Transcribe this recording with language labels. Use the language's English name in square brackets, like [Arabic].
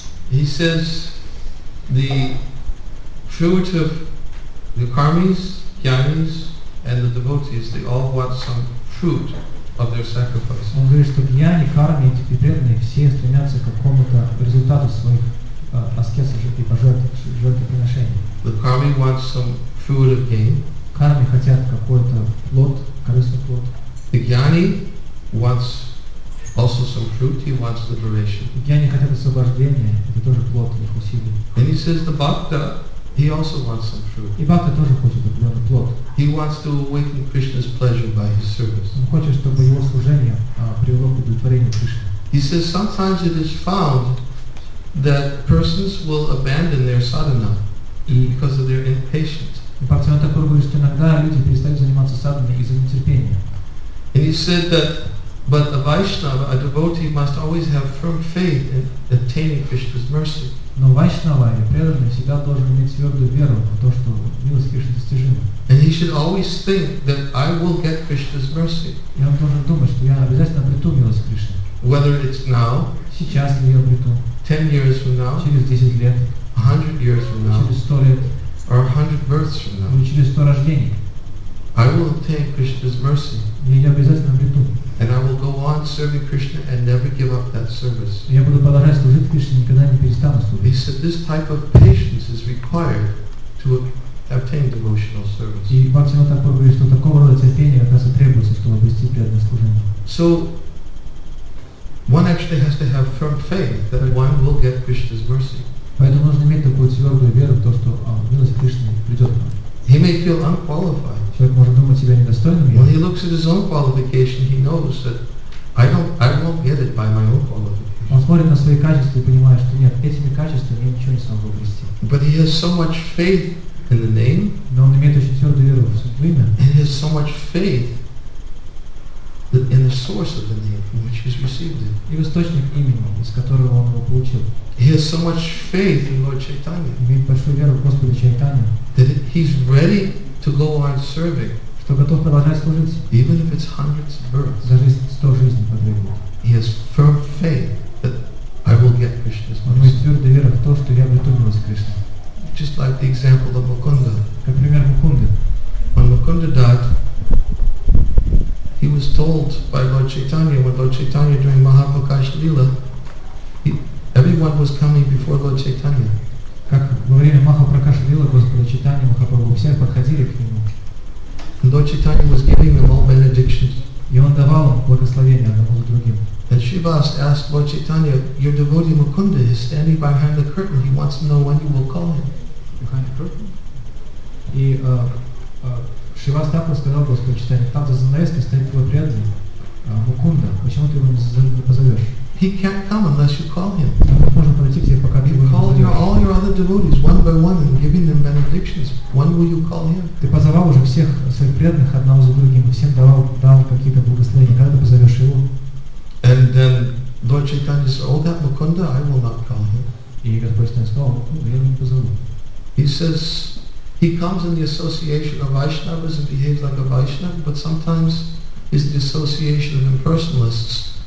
[English] He says, the fruit of the кармис, гьянис, and the devotees, they all want some fruit of their sacrifice. [Russian] Он говорит, что гьяни, карми и преданные все стремятся к какому-то результату своих аскез и жертвоприношений. [English] The karmi wants some fruit of gain. [Russian] Карми хотят какой-то плод, корыстный плод. [English] The gyani wants also some fruit. He wants liberation. [Russian] Гьяни хотят освобождения. Это тоже плод их усилий. [English] And he says the bhakta, he also wants some fruit. [Russian] И бхакта тоже хочет определенный плод. [English] He wants to awaken Krishna's pleasure by his service. [Russian] Он хочет, чтобы его служение привело к удовлетворению Кришны. [English] He says sometimes it is found that persons will abandon their sadhana because of their impatience. [Russian] И Бхактивинода Тхакура говорит, что иногда люди перестают заниматься садханой из-за нетерпения. [English] And he said that, but a Vaishnava, a devotee, must always have firm faith in obtaining Krishna's mercy. [Russian] Но Вайшнава или преданный всегда должен иметь твердую веру в то, что милость Кришны достижима. [English] And he should always think that I will get Krishna's mercy. [Russian] И он должен думать, что я обязательно обрету милость Кришны. [English] Whether it's now, [Russian] сейчас ли я обрету, [English] 10 years from now, [Russian] через 10 лет, [English] 100 years from now, [Russian] через 100 лет, [English] or 100 births from now, [Russian] или через 100 рождений, [English] I will obtain Krishna's mercy. [Russian] И я обязательно обрету. [English] And I will go on serving Krishna and never give up that service. [Russian] Я буду продолжать служить Кришне, никогда не перестану служить. [English] He said this type of patience is required to obtain devotional service. [Russian] И Бхактивинода Тхакура говорит, что такого рода терпение как раз и требуется, чтобы обрести преданное служение. [English] So one actually has to have firm faith that one will get Krishna's mercy. [Russian] Поэтому нужно иметь такую твердую веру в то, что милость Кришны придет к нам. [English] He may feel unqualified. [Russian] Человек может думать себя недостойным. [English] When he looks at his own qualification, he knows that I won't get it by my own qualification. [Russian] Он смотрит на свои качества и понимает, что нет, этими качествами я ничего не смогу обрести. [English] But he has so much faith in the name. [Russian] Но он имеет очень твердую веру в Святое Имя. [English] And he has so much faith in the source of the name from which he's received it. [Russian] И в источник имени, из которого он его получил. [English] He has so much faith in Lord Chaitanya. [Russian] Имеет большую веру в Господа Чайтанью. [English] That he's ready to go on serving. [Russian] Что готов продолжать служить. [English] Even if it's hundreds of births. [Russian] Даже если 100 жизней потребует. [English] He has firm faith that I will get Krishna's mercy. [Russian] Он имеет твердую веру в то, что я обрету милость Кришны. [English] Just like the example of Mukunda. [Russian] Как пример Мукунды. [English] When Mukunda died, he was told by Lord Chaitanya, when Lord Chaitanya during Mahaprakash Lila, everyone was coming before Lord Chaitanya. [Russian] Как во время Махапракаша Лила Господа Чайтанья Махапрабху все подходили к нему. [English] And Lord Chaitanya was giving them all benedictions. [Russian] И он давал благословения одному за другим. [English] And Shivas asked Lord Chaitanya, your devotee Mukunda is standing behind the curtain. He wants to know when you will call him. Behind the curtain? [Russian] И Шивас так сказал Господу Чайтанья, там за занавеской стоит твой преданный, Мукунда. Почему ты его не позовешь? [English] He can't come unless you call him. You call your, all your other devotees one by one and giving them benedictions. When will you call him? [Russian] Ты позвал уже всех своих преданных одного за другим и всем давал какие-то благословения. Когда ты позовешь его? [English] And then Lord Chaitanya said, "Oh, that Mukunda, I will not call him." [Russian] И Господь Чайтанья сказал, Мукунда, я его не позову. [English] He says, he comes in the association of Vaishnavas and behaves like a Vaishnava, but sometimes is the association of impersonalists.